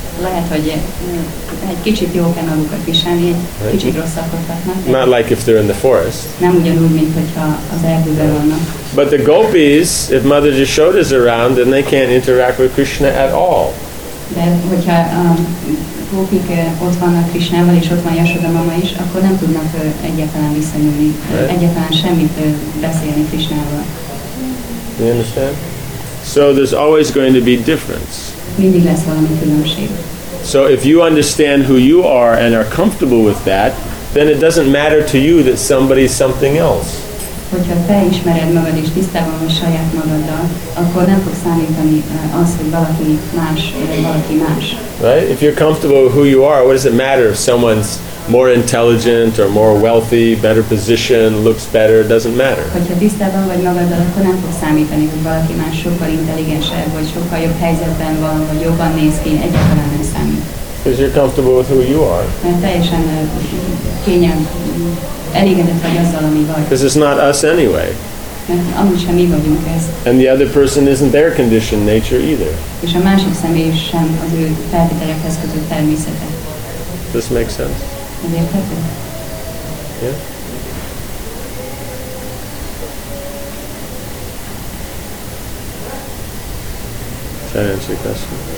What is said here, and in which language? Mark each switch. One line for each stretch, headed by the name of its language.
Hungarian: Lehet, hogy egy kicsit jó kell magukat viselni, egy kicsit rosszakodhatnak.
English: Not like if they're in the forest.
Hungarian: Nem ugyanúgy, mint hogyha az erdőben vannak.
English: But the gopis, if Mother Yashoda is around, then they can't interact with Krishna at all.
Hungarian: De hogyha a gópik ott vannak Krishnával, és ott van Yashoda mama is, akkor nem tudnak egyáltalán visszanyúlni, right? Egyáltalán semmit beszélni Krishnával.
English: You understand? So there's always going to be difference.
Hungarian: Mindig lesz valami különbség.
English: So if you understand who you are and are comfortable with that, then it doesn't matter to you that somebody's something else.
Hungarian: Hogyha te ismered magad és tisztában vagy saját magaddal, akkor nem fog számítani az, hogy valaki más, vagy valaki más.
English: Right? If you're comfortable with who you are, what does it matter if someone's more intelligent or more wealthy, better position, looks better? It doesn't matter.
Hungarian: Hogyha tisztában vagy magaddal, akkor nem fog számítani, hogy valaki más sokkal intelligensebb, vagy sokkal jobb helyzetben van, vagy jobban néz ki, egyáltalán nem számít.
English: Because you're comfortable with who you are.
Hungarian: Mert teljesen kényelm, elégedett vagy azzal, ami vagy.
English: Because it's not us anyway.
Hungarian: Amúgy sem mi vagyunk ez.
English: And the other person isn't their conditioned nature either.
Hungarian: És a másik személy sem az ő feltételekhez kötött természete.
English: This makes sense.
Hungarian: Ez érthető?
English: Yeah. Does that answer your question?